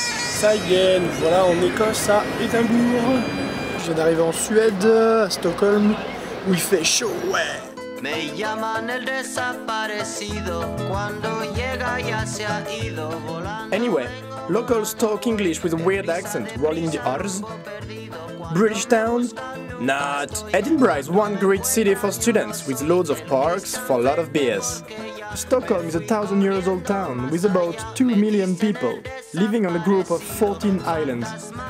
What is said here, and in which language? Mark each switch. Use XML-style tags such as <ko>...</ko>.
<fr>Ça y est, nous voilà en Écosse à Édimbourg. Je viens d'arriver en Suède, à Stockholm, où il fait chaud, ouais.</fr> <es>Me llaman el desaparecido, cuando llega ya se ha ido volando.</es> <en>Anyway, locals talk English with a weird accent, rolling the R's. British towns? Not. Edinburgh is one great city for students, with loads of parks for a lot of beers. Stockholm is a 1,000-year-old town with about 2 million people, living on a group of 14 islands.</en>